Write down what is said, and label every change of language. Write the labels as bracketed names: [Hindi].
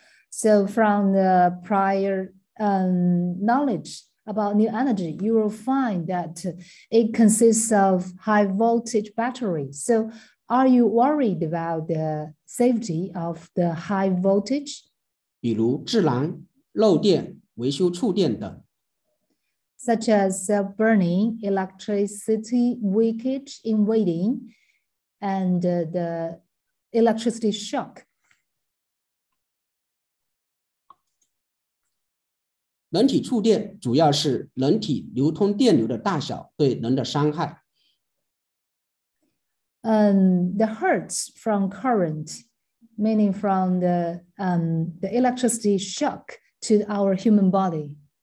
[English] So from the prior knowledge about new energy, you will find that it consists of high voltage battery. So are you worried about the safety of the high voltage? [Chinese] 比如制燃、漏电、维修触电等。 [English] Such as burning, electricity leakage in waiting, and the electricity shock. [Chinese] 人体触电主要是人体流通电流的大小对人的伤害。 [English] The hurts from current, meaning from the electricity shock to our human body.